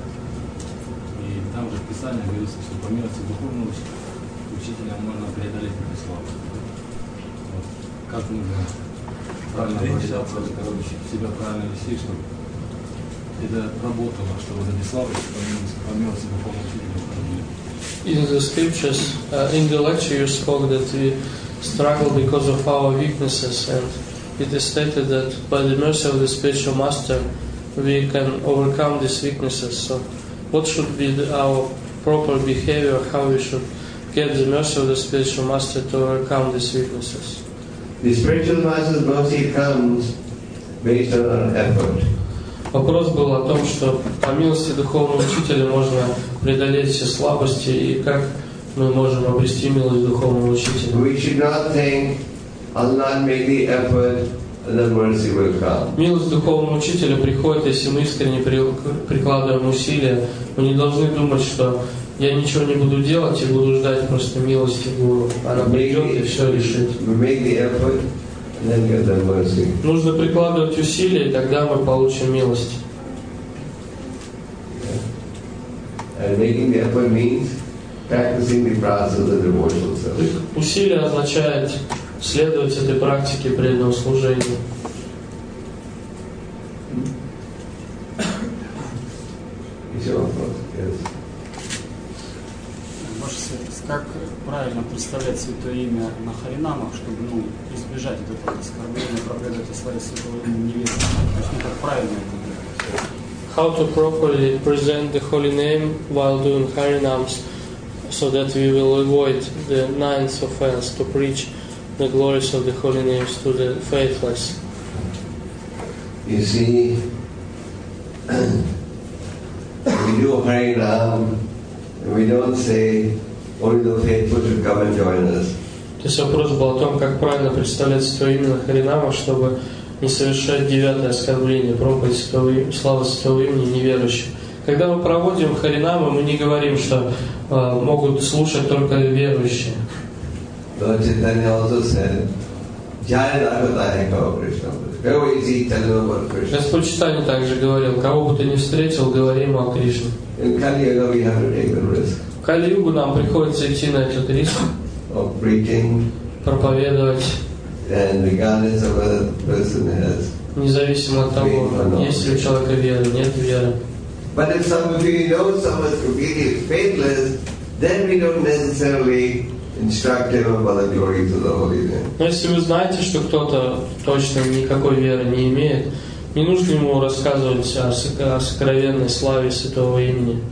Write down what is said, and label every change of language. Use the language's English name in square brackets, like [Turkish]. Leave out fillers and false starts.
[Russian] И там же в Писании говорится, что по милости духовного учителя можно преодолеть эти слабости. Вот. Как нужно правильно обращаться, короче, себя правильно вести, чтобы это работало, чтобы вот эти слабости по милости духовного учителя проходили. [English] In the scriptures, in the lecture you spoke that we struggle because of our weaknesses and it is stated that by the mercy of the spiritual master, we can overcome these weaknesses. So, what should be our proper behavior? How we should get the mercy of the spiritual master to overcome these weaknesses? The spiritual master's mercy comes based on our effort. [Russian] Вопрос был о том, что по милости духовного учителя можно преодолеть все слабости, и как мы можем обрести милость духовного учителя. [English] We should not think Allah made the effort, and then mercy will come. [Russian] Милость духовного учителя приходит, если мы искренне прикладываем усилия. Мы не должны думать, что я ничего не буду делать и буду ждать просто милости Гуру. Она придет и все решит. [English] We make the effort, and then get the mercy. [Russian] Нужно прикладывать усилия, и тогда мы получим милость. [English] And making the effort means practicing the process of devotional service. [Russian] Усилие означает следовать этой практике преданного служения. Еще вопрос. Ваша святость, как правильно представлять святое имя на харинамах, чтобы избежать этого оскорбления, проповедовать свое святое имя невесты? Как правильно это делать? [English] How to properly present the holy name while doing harinams, so that we will avoid the ninth offense to preach the glories of the holy names to the faithless. You see, we do harinam, and we don't say only the faithful should come and join us. [Russian] То есть вопрос был о том, как правильно представлять святое имя на харинамах, чтобы не совершать девятое оскорбление, проповедь слава святого имени неверующим. Когда мы проводим харинамы, мы не говорим, что могут слушать только верующие. [English] Lord Chaitanya also said, Jai Raghutaya Kava Krishna. Go easy, tell him about Krishna. [Russian] Господь Читани также говорил, кого бы ты ни встретил, говори ему о Кришне. [English] In Kali-Yuga we have to take the risk. [Russian] В Кали-Югу нам приходится идти на этот риск. [English] Of preaching. [Russian] Проповедовать. [English] And regardless of whether the person has. [Russian] Независимо от того, есть ли у человека вера, нет веры. [English] But if some of you know someone is completely faithless, then we don't necessarily instruct him about the glories of the holy name. [Russian] Но если вы знаете, что кто-то точно никакой веры не имеет, не нужно ему рассказывать о сокровенной славе святого имени.